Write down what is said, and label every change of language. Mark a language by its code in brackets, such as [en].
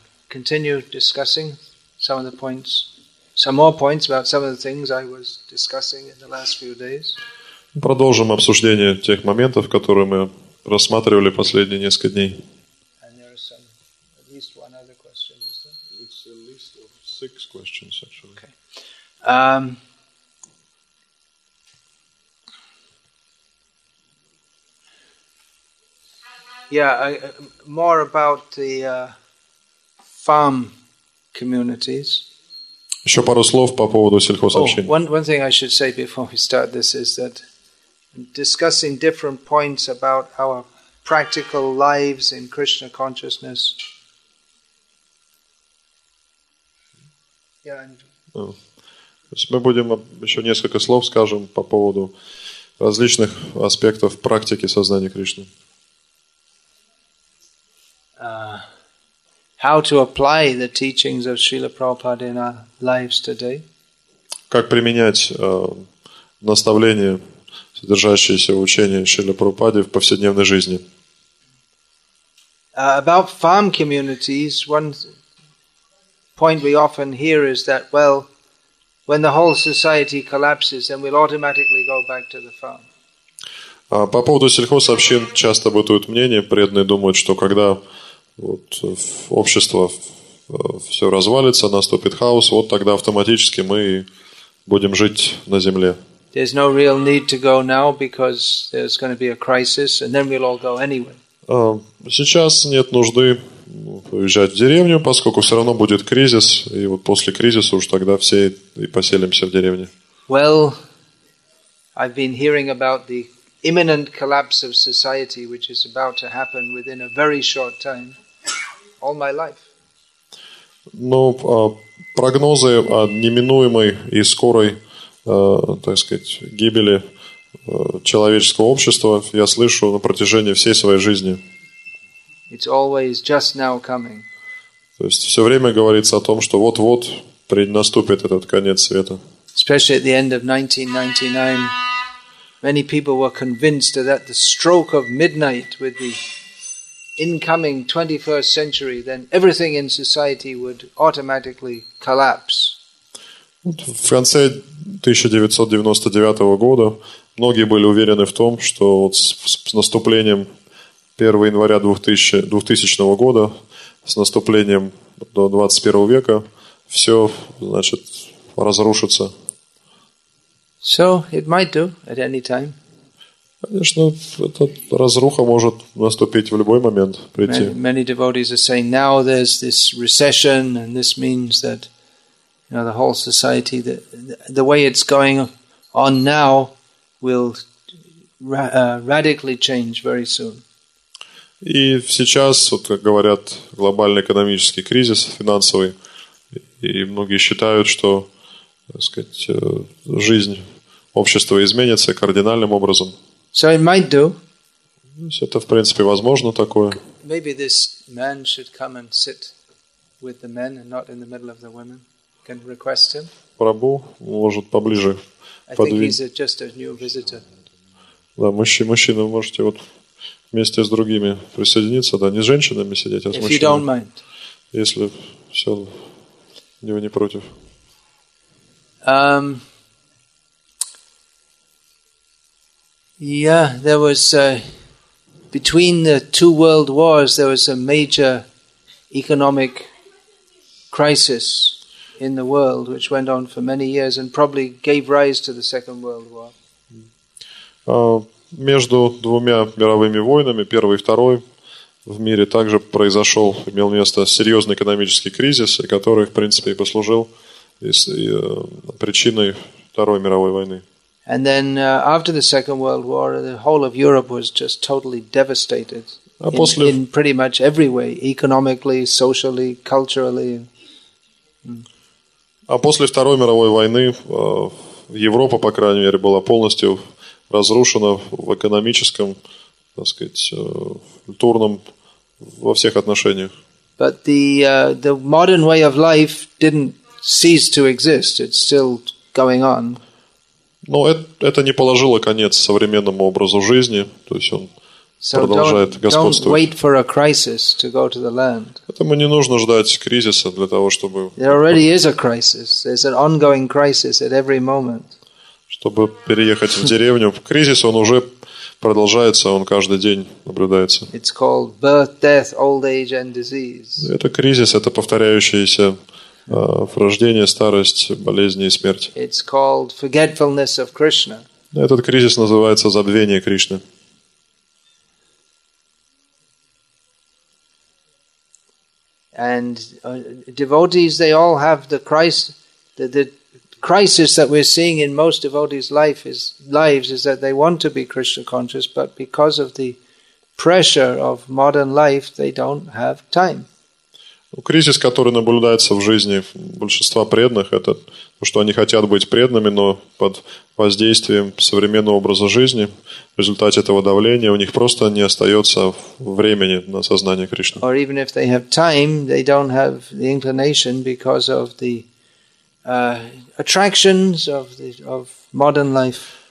[en] Continue discussing some of the points, some more points about some of the things I was discussing in the last few days. [ru] Продолжим обсуждение тех моментов, которые мы рассматривали последние несколько дней. [en] And there is some, at least one other question, is there? It's a list of six questions, actually. Okay. More about the farm communities. [ru] Еще пару слов по поводу сельхозобщения. [en] One thing I should say before we start this is that discussing different points about our practical lives in Krishna consciousness. [ru] Мы будем еще несколько слов скажем по поводу различных аспектов практики сознания Кришны. [en] How to apply the teachings of Srila Prabhupada in our lives today? [ru] Как применять наставления, содержащиеся в учении Шрилы Прабхупады в повседневной жизни? [en] About farm communities, one point we often hear is that, well, when the whole society collapses, then we'll automatically go back to the farm. [ru] По поводу сельхозобщин часто бытует мнение, преданные думают, что когда общество все развалится, наступит хаос, вот тогда автоматически мы будем жить на земле. [en] There's no real need to go now because there's going to be a crisis and then we'll all go anyway. [ru] Сейчас нет нужды уезжать в деревню, поскольку все равно будет кризис, и вот после кризиса уж тогда все и поселимся в деревне. [en] Well, I've been hearing about the imminent collapse of society, which is about to happen within a very short time, all my life. [ru] Но прогнозы о неминуемой и скорой, так сказать, гибели человеческого общества я слышу на протяжении всей своей жизни. [en] It's always just now coming. [ru] То есть все время говорится о том, что вот-вот наступит этот конец света. [en] Especially at the end of 1999, many people were convinced that the stroke of midnight with the incoming 21st century, then everything in society would automatically collapse. [ru] В конце 1999 года многие были уверены в том, что вот с наступлением 1 января 2000 года, с наступлением до 21 века, все, значит, разрушится. [en] So it might do at any time. [ru] Конечно, эта разруха может наступить в любой момент, прийти. [en] Many devotees are saying now there's this recession and this means that, you know, the whole society, the way it's going on now will radically change very soon. [ru] И сейчас, вот как говорят, глобальный экономический кризис финансовый, и многие считают, что, так сказать, жизнь общества изменится кардинальным образом. [en] So it might do. [ru] Это, в принципе, возможно такое. [en] Maybe this man should come and sit with the men and not in the middle of the women. Can request him. [ru] Прабу может поближе подвинуть. [en] I think he's just a new visitor. [ru] Да, мужчина, вы можете вот вместе с другими присоединиться, да, не с женщинами сидеть, а с [en] if [ru] мужчинами. [en] You don't mind. [ru] Если все, него не против. [en] Yeah, there was between the two world wars there was a major economic crisis in the world which went on for many years and probably gave rise to the Second World War. [ru] Между двумя мировыми войнами, первой и второй, в мире также произошел, имел место серьезный экономический кризис, который, в принципе, и послужил причиной Второй мировой войны. [en] And then after the Second World War, the whole of Europe was just totally devastated in pretty much every way, economically, socially, culturally. [ru] А после Второй мировой войны Европа, по крайней мере, была полностью разрушена в экономическом, так сказать, культурном, во всех отношениях. [en] But the modern way of life didn't cease to exist. It's still going on. [ru] Но это не положило конец современному образу жизни, то есть он продолжает господствовать. Поэтому не нужно ждать кризиса для того, чтобы... [en] There already is a crisis. There's an ongoing crisis at every moment. [ru] Чтобы переехать в деревню, кризис, он уже продолжается, он каждый день наблюдается. [en] It's called birth, death, old age and disease. [ru] Это кризис, это повторяющиеся рождение, старость, болезни и смерть. [en] It's called forgetfulness of Krishna. [ru] Этот кризис называется забвение Кришны. [en] And devotees, they all have the crisis. The crisis that we're seeing in most devotees' lives is that they want to be Krishna conscious, but because of the pressure of modern life, they don't have time. [ru] Кризис, который наблюдается в жизни большинства преданных, это то, что они хотят быть преданными, но под воздействием современного образа жизни, в результате этого давления, у них просто не остается времени на сознание Кришны. [en] Or even if they have time, they don't have the inclination because of the attractions of modern life.